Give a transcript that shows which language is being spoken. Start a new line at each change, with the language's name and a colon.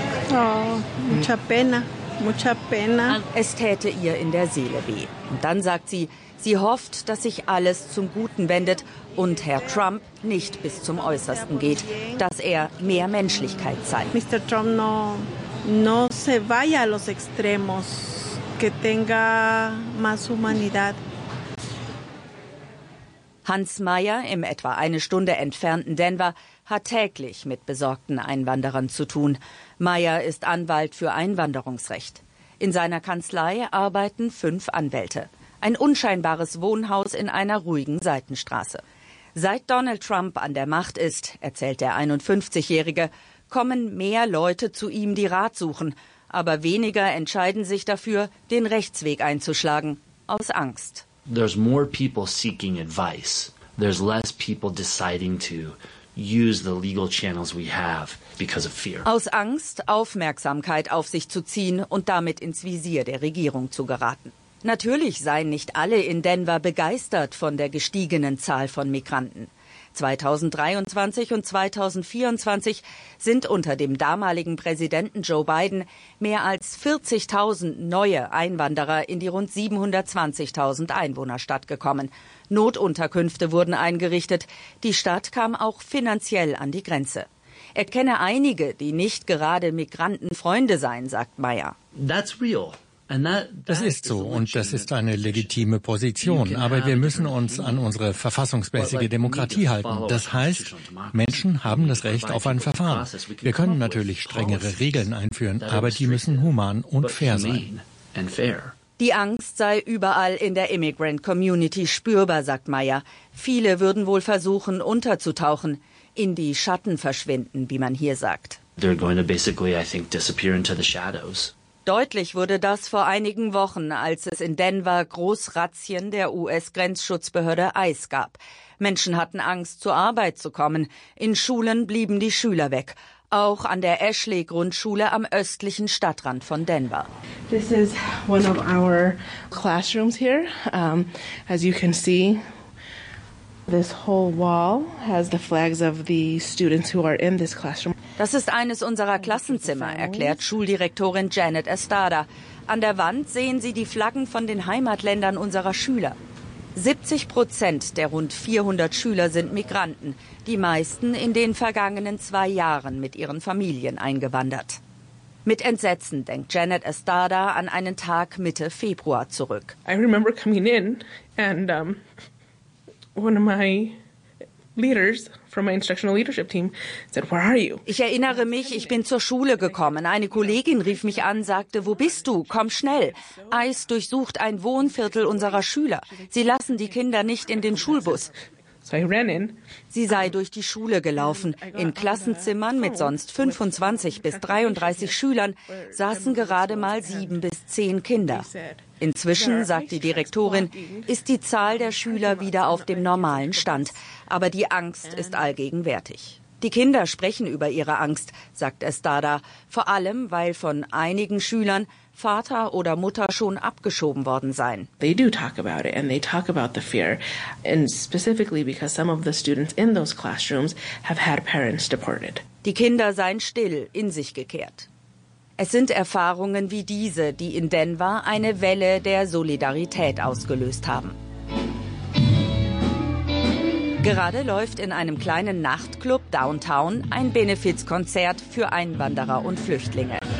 Spanish: Oh, mucha pena, mucha pena.
German: Es täte ihr in der Seele weh. Und dann sagt sie, sie hofft, dass sich alles zum Guten wendet und Herr Trump nicht bis zum Äußersten geht, dass er mehr Menschlichkeit zeigt.
Spanish: Mr. Trump no se vaya a los extremos, que tenga más humanidad.
German: Hans Meyer im etwa 1 Stunde entfernten Denver hat täglich mit besorgten Einwanderern zu tun. Meyer ist Anwalt für Einwanderungsrecht. In seiner Kanzlei arbeiten 5 Anwälte. Ein unscheinbares Wohnhaus in einer ruhigen Seitenstraße. Seit Donald Trump an der Macht ist, erzählt der 51-Jährige, kommen mehr Leute zu ihm, die Rat suchen. Aber weniger entscheiden sich dafür, den Rechtsweg einzuschlagen. Aus Angst.
English: There's more people seeking advice. There's less people deciding to use the legal channels we have because of fear.
German: Aus Angst, Aufmerksamkeit auf sich zu ziehen und damit ins Visier der Regierung zu geraten. Natürlich seien nicht alle in Denver begeistert von der gestiegenen Zahl von Migranten. 2023 und 2024 sind unter dem damaligen Präsidenten Joe Biden mehr als 40.000 neue Einwanderer in die rund 720.000 Einwohnerstadt gekommen. Notunterkünfte wurden eingerichtet. Die Stadt kam auch finanziell an die Grenze. Er kenne einige, die nicht gerade Migrantenfreunde seien, sagt Meyer.
English: That's real.
German: Das ist so und das ist eine legitime Position, aber wir müssen uns an unsere verfassungsmäßige Demokratie halten. Das heißt, Menschen haben das Recht auf ein Verfahren. Wir können natürlich strengere Regeln einführen, aber die müssen human und fair sein. Die Angst sei überall in der Immigrant Community spürbar, sagt Meyer. Viele würden wohl versuchen, unterzutauchen, in die Schatten verschwinden, wie man hier sagt.
English: They're going to basically, I think, disappear into the shadows.
German: Deutlich wurde das vor einigen Wochen, als es in Denver Großrazzien der US-Grenzschutzbehörde ICE gab. Menschen hatten Angst, zur Arbeit zu kommen. In Schulen blieben die Schüler weg. Auch an der Ashley-Grundschule am östlichen Stadtrand von Denver.
English: This is one of our classrooms here. As you can see, this whole wall has the flags of the students who are in this classroom.
German: Das ist eines unserer Klassenzimmer, erklärt Schuldirektorin Janet Estada. An der Wand sehen Sie die Flaggen von den Heimatländern unserer Schüler. 70% der rund 400 Schüler sind Migranten, die meisten in den vergangenen 2 Jahren mit ihren Familien eingewandert. Mit Entsetzen denkt Janet Estada an einen Tag Mitte Februar zurück.
English: I remember coming in and one of my leaders from my instructional leadership team said, where are you?
German: Ich erinnere mich, ich bin zur Schule gekommen. Eine Kollegin rief mich an, sagte, wo bist du? Komm schnell. ICE durchsucht ein Wohnviertel unserer Schüler. Sie lassen die Kinder nicht in den Schulbus. Sie sei durch die Schule gelaufen. In Klassenzimmern mit sonst 25 bis 33 Schülern saßen gerade mal 7 bis 10 Kinder. Inzwischen, sagt die Direktorin, ist die Zahl der Schüler wieder auf dem normalen Stand. Aber die Angst ist allgegenwärtig. Die Kinder sprechen über ihre Angst, sagt Estada, vor allem, weil von einigen Schülern Vater oder Mutter schon abgeschoben worden seien.
English: They do talk about it and they talk about the fear, and specifically because some of the students in those classrooms have had parents deported.
German: Die Kinder seien still, in sich gekehrt. Es sind Erfahrungen wie diese, die in Denver eine Welle der Solidarität ausgelöst haben. Gerade läuft in einem kleinen Nachtclub downtown ein Benefizkonzert für Einwanderer und Flüchtlinge.